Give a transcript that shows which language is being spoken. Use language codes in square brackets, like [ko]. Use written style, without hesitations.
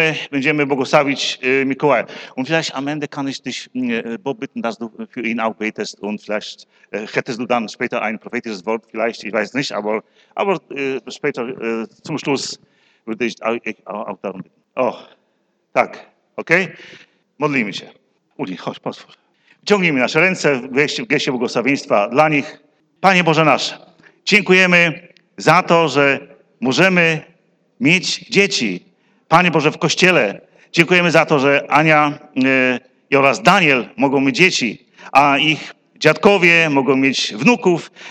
[pl] będziemy błogosławić Mikołaja. [de] Und vielleicht am Ende kann ich dich bitten, dass du für ihn auch betest und vielleicht hättest du dann später ein prophetisches Wort, vielleicht, ich weiß nicht, aber später zum Schluss würde ich auch darum bitten. [pl] Oh, tak, okay? Modlimy się. Uli, chodź, pozwól. Wciągnijmy nasze ręce w geście błogosławieństwa dla nich. Panie Boże nasz, dziękujemy za to, że możemy mieć dzieci. Panie Boże, w Kościele dziękujemy za to, że Ania oraz Daniel mogą mieć dzieci, a ich dziadkowie mogą mieć wnuków.